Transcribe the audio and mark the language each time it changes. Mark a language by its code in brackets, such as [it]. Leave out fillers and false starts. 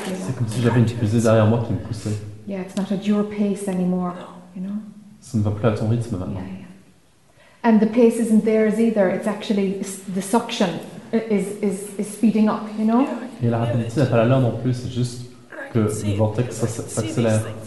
[fr] C'est comme si j'avais une fusée derrière moi qui me poussait. [en] Yeah, it's not at your pace anymore, you know? [fr] Ça ne va plus à ton rythme maintenant. [en] Yeah, yeah. And the pace isn't theirs either. It's actually the suction is speeding up, you know? [fr] Et la rapidité n'est pas la leur non plus, c'est juste que le vortex s'accélère.